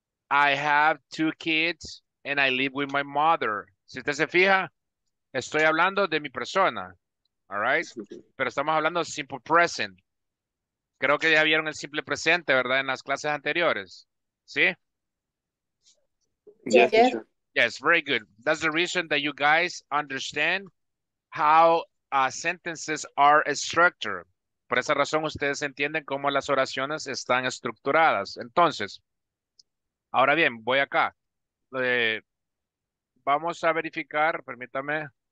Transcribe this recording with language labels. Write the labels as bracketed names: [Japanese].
[English] I have 2 kids and I live with my mother. [Spanish] Si usted se fija, estoy hablando de mi persona, [English] all right? [Spanish] Pero estamos hablando de simple present. Creo que ya vieron el simple presente, ¿verdad? En las clases anteriores. ¿Sí? [English] Yes, very good. That's the reason that you guys understand how sentences are structured. [Spanish] Por esa razón, ustedes entienden cómo las oraciones están estructuradas. Entonces, ahora bien, voy acá. Vamos a verificar, permítame.